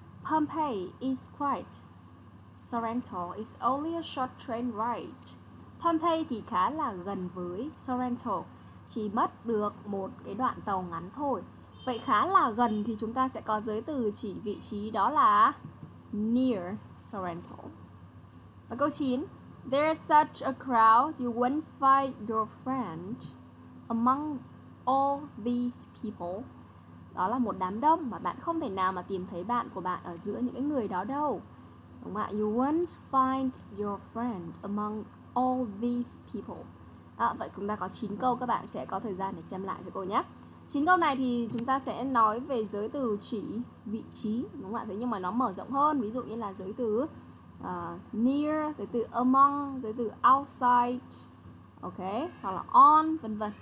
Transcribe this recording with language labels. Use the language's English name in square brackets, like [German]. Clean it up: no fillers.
[English] Pompeii is quite Sorrento is only a short train ride. [Vietnamese] Pompeii thì khá là gần với Sorrento, chỉ mất được một cái đoạn tàu ngắn thôi. Vậy khá là gần thì chúng ta sẽ có giới từ chỉ vị trí đó là near Sorrento. Và câu 9. [English] There's such a crowd you wouldn't find your friend among all these people. [Vietnamese] Đó là một đám đông mà bạn không thể nào mà tìm thấy bạn của bạn ở giữa những cái người đó đâu. Đúng không ạ? [English] You won't find your friend among all these people. [Vietnamese] Vậy chúng ta có 9 câu, các bạn sẽ có thời gian để xem lại cho cô nhé. 9 câu này thì chúng ta sẽ nói về giới từ chỉ vị trí, đúng không ạ? Thế nhưng mà nó mở rộng hơn, ví dụ như là giới từ near, giới từ among, giới từ outside, ok, hoặc là on, vân vân.